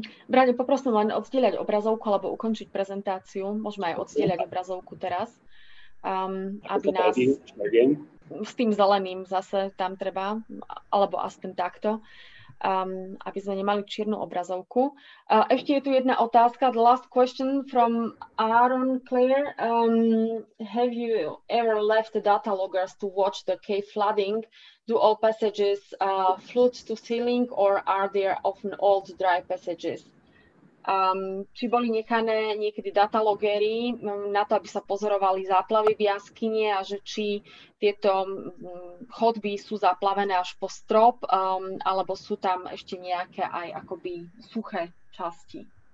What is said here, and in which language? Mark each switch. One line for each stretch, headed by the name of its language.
Slovak: Braňo, poprosím len odstieľať obrazovku alebo ukončiť prezentáciu. Môžeme aj odstieľať obrazovku teraz, aby nás... S tým zeleným zase tam treba, alebo aspoň takto, aby sme nemali čiernu obrazovku. Ešte je tu jedna otázka.
English: The last question from Aaron Clare. Have you ever left the data loggers to watch the cave flooding? Do all passages flood to ceiling or are there often old dry passages?
Slovak: Či boli nechané niekedy datalogéri na to, aby sa pozorovali záplavy v jaskynie a že či tieto chodby sú zaplavené až po strop, alebo sú tam ešte nejaké aj akoby suché časti?